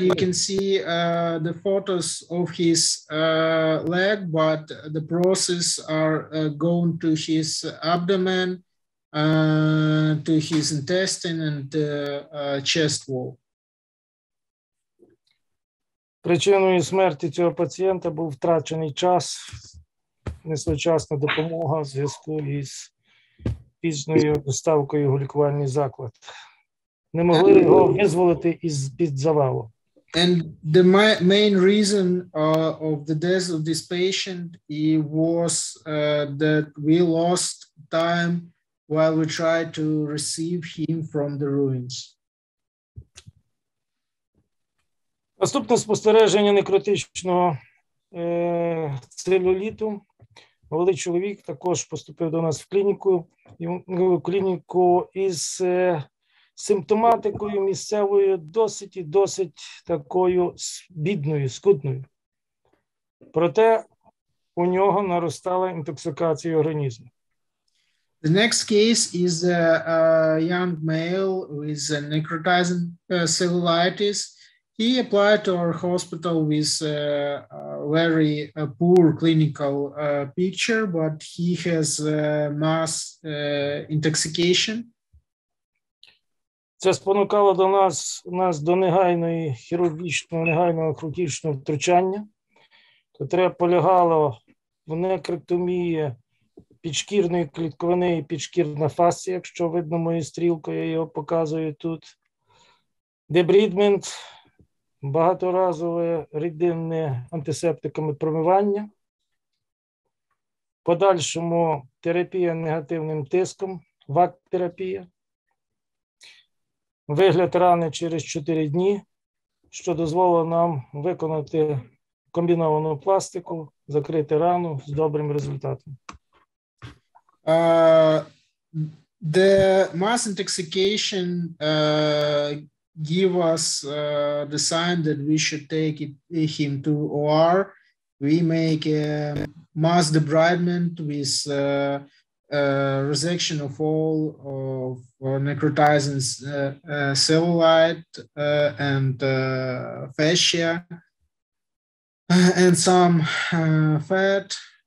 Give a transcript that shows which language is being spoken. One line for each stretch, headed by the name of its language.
English: you can see the photos of his leg, but the process are going to his abdomen, to his intestine and chest wall.
Ukrainian: Причиною смерті цього пацієнта був втрачений час, несвоєчасна допомога в зв'язку із пізною доставкою в лікувальний заклад. Не могли його визволити із під завалу.
English: And the main reason of the death of this patient was that we lost time while we tried to receive him from the ruins.
Ukrainian: Наступне спостереження некротичного целлюліту. Молодий чоловік також поступив до нас в клініку, із симптоматикою місцевою досить такою бідною, скудною. Проте у нього наростала інтоксикація організму.
English: The next case is a young male with a necrotizing cellulitis. He applied to our hospital with a very poor clinical picture, but he has mass intoxication.
Ukrainian: Це спонукало до нас до негайної хірургічного, негайного хірургічного втручання, яке полягало в некротомії підшкірної клітковини і підшкірна фасція, якщо видно мою стрілку, я його показую тут. Дебрідмент. Багаторазове рідинне антисептиками промивання, подальшому терапія негативним тиском, ВАК-терапія, вигляд рани через 4 дні, що дозволило нам виконати комбіновану пластику, закрити рану з добрим результатом.
English: The mass intoxication give us the sign that we should take him to OR. We make a mass debridement with resection of all of necrotizing cellulite and fascia and some fat.